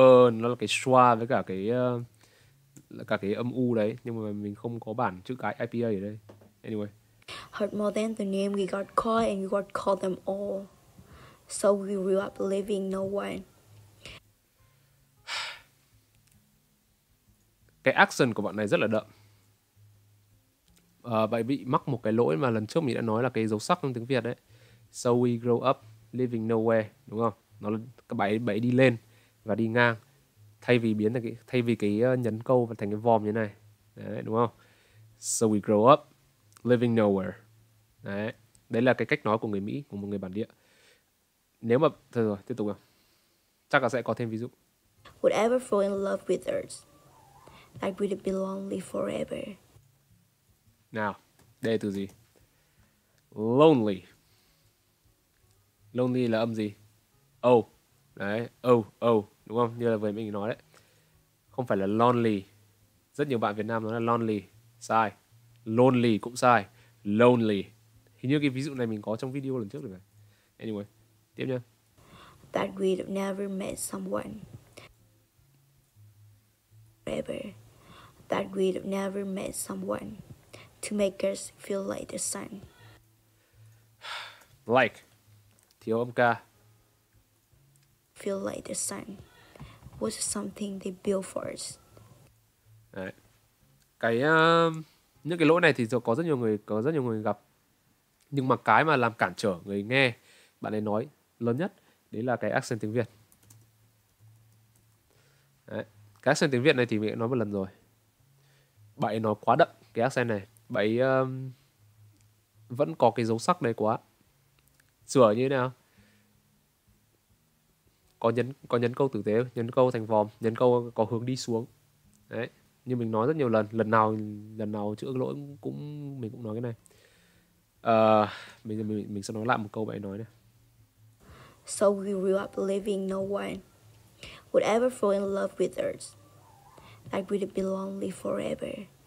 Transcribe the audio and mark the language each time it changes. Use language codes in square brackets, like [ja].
[vi] Nó là cái schwa với cả cái âm U đấy. Nhưng mà mình không có bản chữ cái IPA ở đây. [en] Anyway. Heard more than the name we got called and we got called them all. So we grew up leaving no one. [vi] Cái accent của bạn này rất là đậm. Bạn bị mắc một cái lỗi mà lần trước mình đã nói là cái dấu sắc trong tiếng Việt đấy. [en] So we grow up living nowhere, [vi] đúng không? Nó là cái bảy đi lên và đi ngang. Thay vì cái nhấn câu và thành cái vòm như này. Đấy, đúng không? [en] So we grow up living nowhere. Đấy. [vi] Đấy là cái cách nói của người Mỹ, của một người bản địa. Nếu mà thôi rồi, tiếp tục nào. Chắc là sẽ có thêm ví dụ. [en] Would ever fall in love with us? Like we'd be lonely forever. [vi] Nào, đây là từ gì? Lonely. Lonely là âm gì? O. Đấy, O, đúng không? Như là vừa mình nói đấy. Không phải là lonely. Rất nhiều bạn Việt Nam nói là lonely. Sai. Lonely cũng sai. Lonely. Hình như cái ví dụ này mình có trong video lần trước rồi này. Anyway, tiếp nha. [en] That we'd never met someone. Forever. That we'd never met someone to make us feel like the sun. [vi] Like. Thiếu âm ca. [en] Feel like the sun was something they built for us. [vi] Đấy. Cái những cái lỗi này thì có rất nhiều người gặp. Nhưng mà cái mà làm cản trở người nghe bạn ấy nói lớn nhất đấy là cái accent tiếng Việt. Đấy. Cái accent tiếng Việt này thì mình đã nói một lần rồi. Bạn ấy nói quá đậm cái accent này. Bạn ấy vẫn có cái dấu sắc đấy quá. Sửa như thế nào? có nhấn câu tử tế, nhấn câu thành vòm, nhấn câu có hướng đi xuống. Đấy, như mình nói rất nhiều lần, lần nào chữa lỗi cũng mình cũng nói cái này. Mình sẽ nói lại một câu bạn ấy nói này. [en] So we grew up believing no one would ever fall in love with us, like we'd be lonely forever.